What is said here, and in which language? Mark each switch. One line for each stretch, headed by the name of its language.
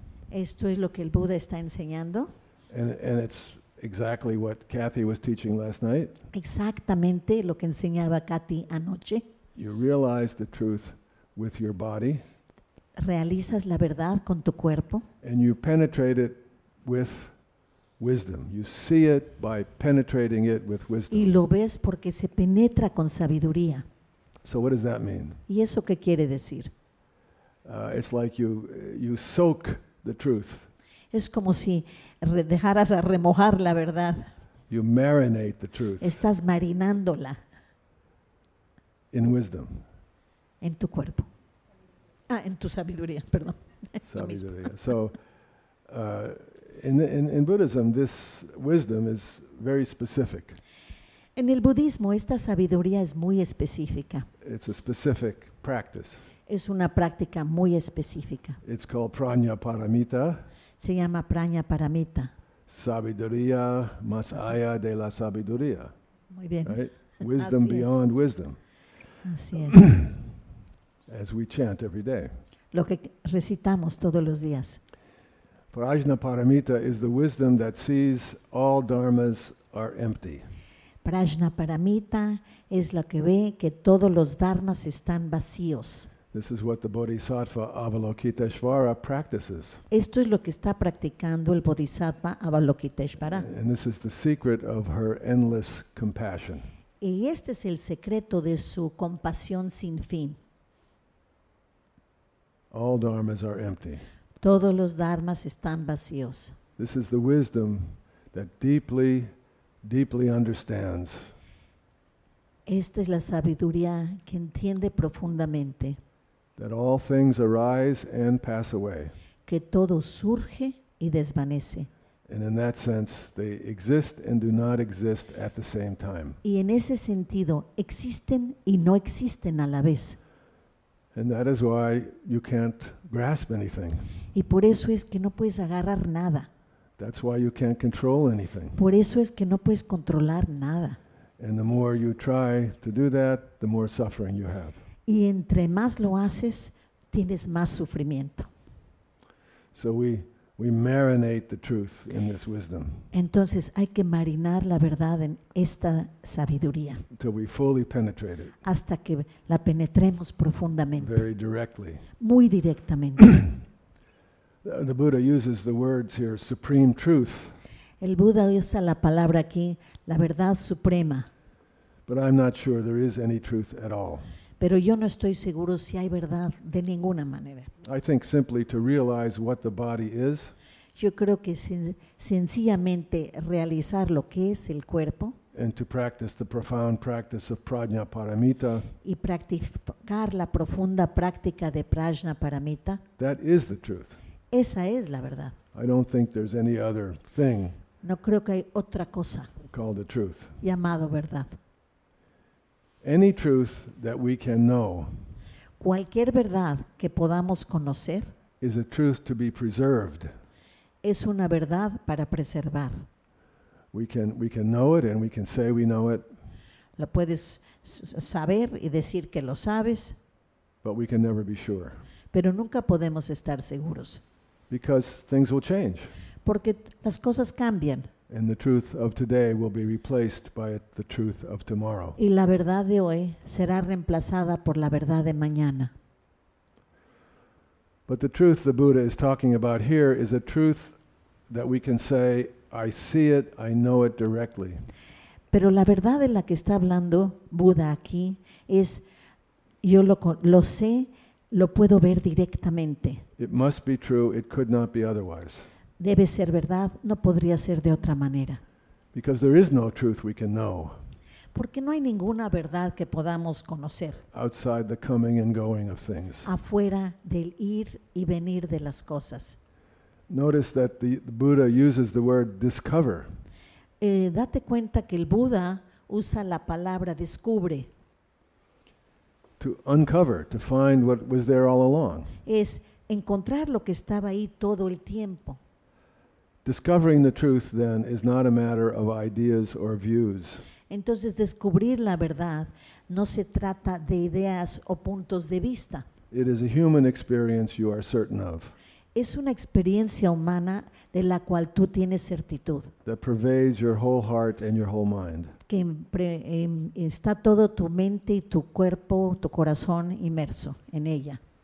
Spanish: Esto es lo que el Buda está enseñando.
English: And it's exactly what Kathy was teaching last night.
Spanish: Exactamente lo que enseñaba Kathy anoche.
English: You realize the truth with your body.
Spanish: Realizas la verdad con tu cuerpo.
English: And you penetrate it with wisdom. You see it by penetrating it with wisdom.
Spanish: Y lo ves porque se penetra con sabiduría.
English: So what does that mean?
Spanish: ¿Y eso qué quiere decir?
English: It's like you soak the truth.
Spanish: Es como si dejaras a remojar la verdad.
English: You marinate the truth.
Spanish: Estás marinándola.
English: In wisdom.
Spanish: En tu cuerpo. Ah, en tu sabiduría, perdón. Sabiduría.
English: So, in Buddhism, this wisdom is very specific.
Spanish: En el budismo, esta sabiduría es muy específica.
English: It's a specific practice.
Spanish: Es una práctica muy específica.
English: It's called Prajna Paramita.
Spanish: Se llama Prajna Paramita. Sabiduría más allá de la sabiduría. Muy bien.
English: Right? Wisdom
Spanish: así
English: beyond
Spanish: es.
English: Wisdom.
Spanish: Así es.
English: As we chant every day.
Spanish: Lo que recitamos todos los días.
English: Prajna Paramita is the wisdom that sees all dharmas are empty.
Spanish: Prajna Paramita es lo que ve que todos los dharmas están vacíos.
English: This is what the Bodhisattva Avalokiteshvara practices.
Spanish: Esto es lo que está practicando el Bodhisattva Avalokiteshvara.
English: And this is the secret of her endless compassion.
Spanish: Y este es el secreto de su compasión sin fin.
English: All dharmas are empty.
Spanish: Todos los dharmas están vacíos.
English: This is the wisdom that deeply, deeply understands.
Spanish: Esta es la sabiduría que entiende profundamente.
English: That all things arise and pass away.
Spanish: Que todo surge y desvanece.
English: And in that sense, they exist and do not exist at the same time.
Spanish: Y en ese sentido, existen y no existen a la vez.
English: And that is why you can't grasp anything.
Spanish: Y por eso es que no puedes agarrar nada.
English: That's why you can't control anything.
Spanish: Por eso es que no puedes controlar nada.
English: And the more you try to do that, the more suffering you have.
Spanish: Y entre más lo haces, tienes más sufrimiento.
English: So we marinate the truth in this wisdom.
Spanish: Entonces hay que marinar la verdad en esta sabiduría.
English: Until we fully penetrate it.
Spanish: Hasta que la penetremos profundamente.
English: Very directly.
Spanish: Muy directamente.
English: The Buddha uses the words here, supreme truth.
Spanish: El Buda usa la palabra aquí, la verdad suprema.
English: But I'm not sure there is any truth at all.
Spanish: Pero yo no estoy seguro si hay verdad de ninguna manera.
English: I think simply to realize what the body is.
Spanish: Yo creo que sencillamente realizar lo que es el cuerpo.
English: And to practice the profound practice of Prajna Paramita.
Spanish: Y practicar la profunda práctica de Prajna Paramita.
English: That is the truth.
Spanish: Esa es la verdad.
English: I don't think there's any other thing.
Spanish: No creo que hay otra cosa.
English: Called the truth.
Spanish: Llamado verdad.
English: Any truth that we can know,
Spanish: cualquier verdad que podamos conocer,
English: is a truth to be preserved.
Spanish: Es una verdad para preservar.
English: We can know it and we can say we know it.
Spanish: Lo puedes saber y decir que lo sabes.
English: But we can never be sure.
Spanish: Pero nunca podemos estar seguros.
English: Because things will change.
Spanish: Porque las cosas cambian.
English: And the truth of today will be replaced by the truth of tomorrow.
Spanish: Y la verdad de hoy será reemplazada por la verdad de mañana.
English: But the truth the Buddha is talking about here is a truth that we can say, I see it, I know it directly.
Spanish: Pero la verdad de la que está hablando Buda aquí es, yo lo sé, lo puedo ver directamente.
English: It must be true, it could not be otherwise.
Spanish: Debe ser verdad, no podría ser de otra manera.
English: Because there is no truth we can know.
Spanish: Porque no hay ninguna verdad que podamos conocer.
English: Outside the coming and going of things.
Spanish: Afuera del ir y venir de las cosas.
English: Notice that the Buddha uses the word discover.
Spanish: Date cuenta que el Buda usa la palabra descubre.
English: To uncover, to find what was there all along.
Spanish: Es encontrar lo que estaba ahí todo el tiempo.
English: Discovering the truth then is not a matter of ideas or views.
Spanish: Entonces descubrir la verdad no se trata de ideas o puntos de vista.
English: It is a human experience you are certain of.
Spanish: Es una experiencia humana de la cual tú tienes certitud.
English: That pervades your whole heart and your whole mind.
Spanish: Que está todo tu mente y tu cuerpo, tu corazón inmerso en ella.